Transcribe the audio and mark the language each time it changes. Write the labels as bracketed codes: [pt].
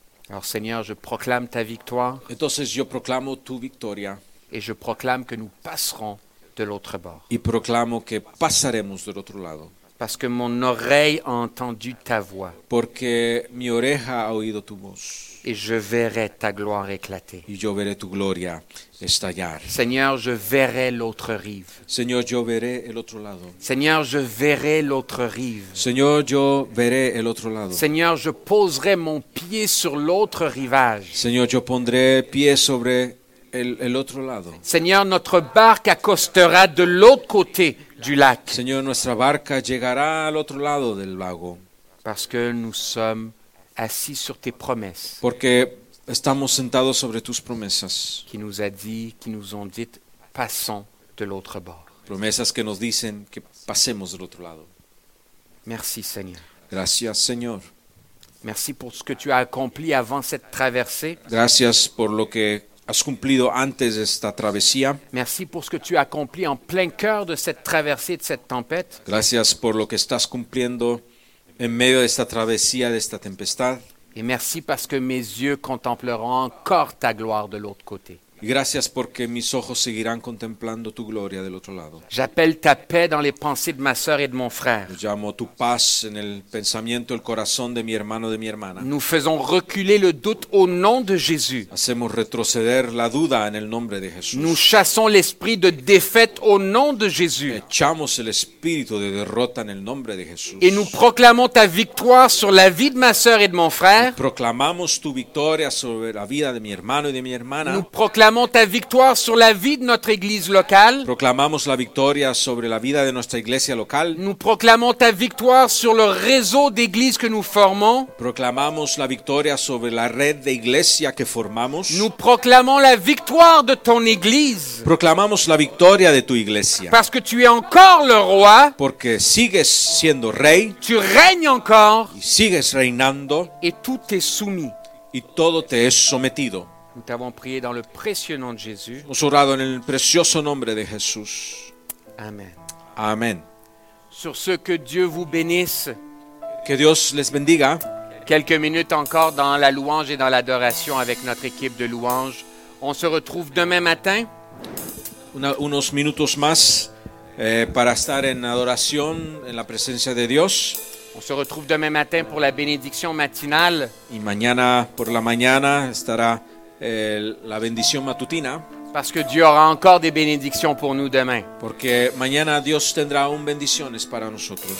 [fr] Alors Seigneur, je proclame ta victoire. [es] Entonces yo proclamo tu victoria. [fr] Et je proclame que nous passerons de l'autre bord. [es] Y proclamo que pasaremos del otro lado. [fr] Parce que mon oreille a entendu ta voix. [es] Porque mi oreja ha oído tu voz. [fr] Et je verrai ta gloire éclater. [es] Y yo veré tu gloria estallar. [fr] Seigneur, je verrai l'autre rive. [es] Señor, yo veré el otro lado. [fr] Seigneur, je verrai l'autre rive. [es] Señor, yo veré el otro lado. [fr] Seigneur, je poserai mon pied sur l'autre rivage. [es] Señor, yo pondré pie sobre el otro lado. [fr] Seigneur, notre barque accostera de l'autre côté du lac. [es] Señor, nuestra barca llegará al otro lado del lago. [fr] Parce que nous sommes assis sur tes promesses. [es] Porque estamos sentados sobre tus promesas. [fr] Qui nous a dit, qui nous ont dit, passons de l'autre bord. [es] Promesas que nos dicen que pasemos del otro lado. [fr] Merci, Seigneur. [es] Gracias, Señor. [fr] Merci pour ce que tu as accompli avant cette traversée. [es] Gracias por lo que has cumplido antes de esta travesía. [fr] Merci pour ce que tu accomplis en plein cœur de cette traversée de cette tempête. [es] Gracias por lo que estás cumpliendo en medio de esta travesía de esta tempestad. [fr] Et merci parce que mes yeux contempleront encore ta gloire de l'autre côté. [es] Gracias porque mis ojos seguirán contemplando tu gloria del otro lado. [fr] J'appelle ta paix dans les pensées de ma sœur et de mon frère. [es] Llamo tu paz en el pensamiento, el corazón de mi hermano, de mi hermana. [fr] Nous faisons reculer le doute au nom de Jésus. [es] Hacemos retroceder la duda en el nombre de Jesús. [fr] Nous chassons l'esprit de défaite au nom de Jésus. [es] Echamos el espíritu de derrota en el nombre de Jesús. [fr] Et nous proclamons ta victoire sur la vie de ma sœur et de mon frère. [es] Proclamamos tu victoria sobre la vida de mi hermano y de mi hermana. [fr] Proclamons ta victoire sur la vie de notre église locale. [es] Proclamamos la victoria sobre la vida de nuestra iglesia local. [fr] Nous proclamons ta victoire sur le réseau d'églises que nous formons. [es] Proclamamos la victoria sobre la red de iglesia que formamos. [fr] Nous proclamons la victoire de ton église. [es] Proclamamos la victoria de tu iglesia. [fr] Parce que tu es encore le roi. [es] Porque sigues siendo rey. [fr] Tu règnes encore. [es] Y sigues reinando. [fr] Et tout est soumis. [es] Y todo te es sometido. [fr] Nous t'avons prié dans le précieux nom de Jésus. [es] Hemos orado en el precioso nombre de Jesús. [fr] Amen. [es] Amen. [fr] Sur ce, que Dieu vous bénisse. [es] Que Dios les bendiga. [fr] Quelques minutes encore dans la louange et dans l'adoration avec notre équipe de louange. On se retrouve demain matin. [es] Unos minutos más para estar en adoración en la presencia de Dios. [fr] On se retrouve demain matin pour la bénédiction matinale. [es] Y mañana por la mañana estará la bendición matutina. [fr] Parce que Dieu aura encore des bénédictions pour nous demain. [es] Porque mañana Dios tendrá un bendiciones para nosotros.